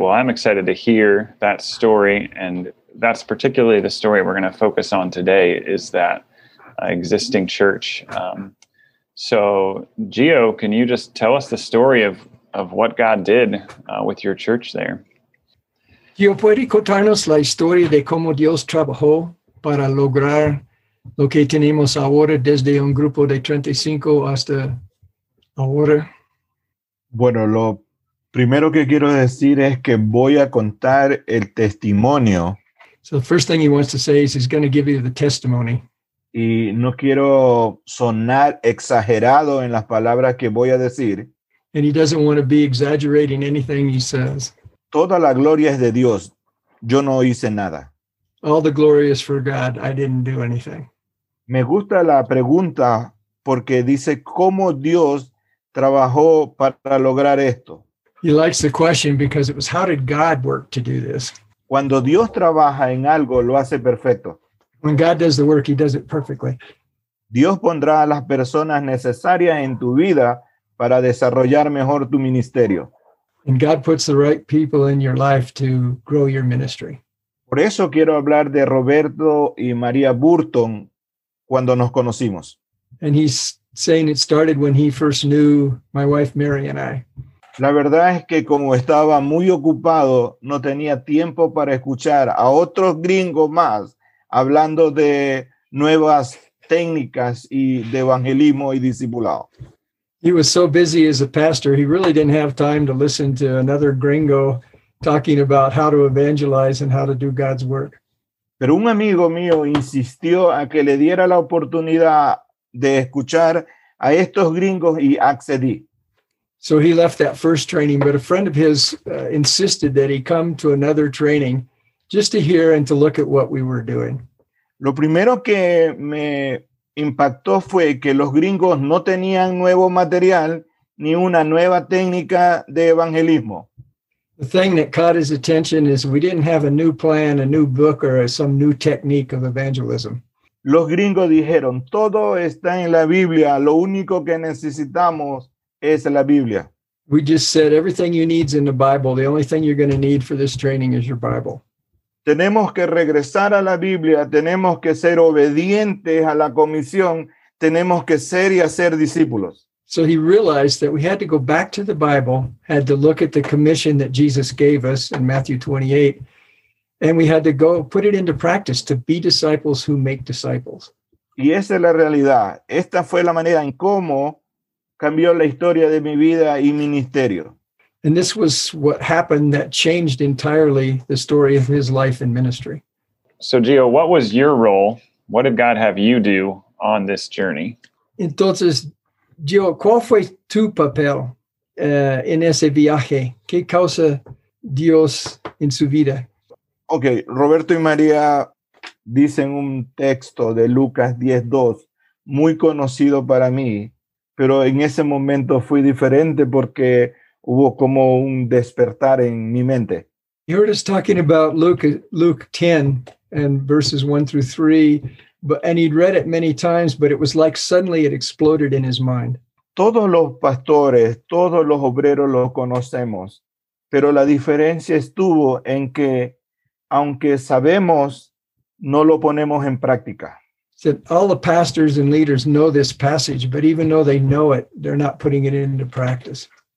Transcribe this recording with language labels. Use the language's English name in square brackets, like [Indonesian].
[English] Well, I'm excited to hear that story, and that's particularly the story we're going to focus on today, is that existing church. So, Gio, can you just tell us the story of what God did with your church there? [Spanish] Gio, ¿puede contarnos la historia de cómo Dios trabajó para lograr lo que tenemos ahora desde un grupo de 35 hasta ahora? Bueno, lo primero que quiero decir es que voy a contar el testimonio. [English] So the first thing he wants to say is he's going to give you the testimony. [Spanish] Y no quiero sonar exagerado en las palabras que voy a decir. [English] And he doesn't want to be exaggerating anything he says. [Spanish] Toda la gloria es de Dios. Yo no hice nada. [English] All the glory is for God. I didn't do anything. [Spanish] Me gusta la pregunta porque dice cómo Dios trabajó para lograr esto. [English] He likes the question because it was how did God work to do this? [Spanish] Cuando Dios trabaja en algo, lo hace perfecto. [English] When God does the work, he does it perfectly. [Spanish] Dios pondrá a las personas necesarias en tu vida para desarrollar mejor tu ministerio. [English] And God puts the right people in your life to grow your ministry. [Spanish] Por eso quiero hablar de Roberto y María Burton cuando nos conocimos. [English] And he's saying it started when he first knew my wife Mary and I. [Spanish] La verdad es que como estaba muy ocupado, no tenía tiempo para escuchar a otros gringos más hablando de nuevas técnicas y de evangelismo y discipulado. [English] He was so busy as a pastor, he really didn't have time to listen to another gringo talking about how to evangelize and how to do God's work. [Spanish] Pero un amigo mío insistió a que le diera la oportunidad de escuchar a estos gringos y accedí. [English] So he left that first training, but a friend of his insisted that he come to another training just to hear and to look at what we were doing. [Spanish] Lo primero que me impactó fue que los gringos no tenían nuevo material ni una nueva técnica de evangelismo. [English] The thing that caught his attention is we didn't have a new plan, a new book, or some new technique of evangelism. [Spanish] Los gringos dijeron, todo está en la Biblia, lo único que necesitamos es la Biblia. [English] We just said everything you need is in the Bible. The only thing you're going to need for this training is your Bible. [Spanish] Tenemos que regresar a la Biblia, tenemos que ser obedientes a la comisión, tenemos que ser y hacer discípulos. [English] So he realized that we had to go back to the Bible, had to look at the commission that Jesus gave us in Matthew 28, and we had to go put it into practice to be disciples who make disciples. [Spanish] Y esa es la realidad. Esta fue la manera en cómo cambió la historia de mi vida y ministerio. [English] And this was what happened that changed entirely the story of his life and ministry. So Gio, what was your role? What did God have you do on this journey? [Spanish] Entonces, Gio, ¿cuál fue tu papel en ese viaje? ¿Qué causa Dios en su vida? Okay, Roberto y María dicen un texto de Lucas 10:2, muy conocido para mí, pero en ese momento fue diferente porque hubo como un despertar en mi mente. [English] You heard us talking about Luke 10 and verses 1 through 3, but and he'd read it many times, but it was like suddenly it exploded in his mind. [Spanish] Todos los pastores, todos los obreros los conocemos, pero la diferencia estuvo en que aunque sabemos, no lo ponemos en práctica. [English] Said all the pastors and leaders know this passage, but even though they know it, they're not putting it into practice.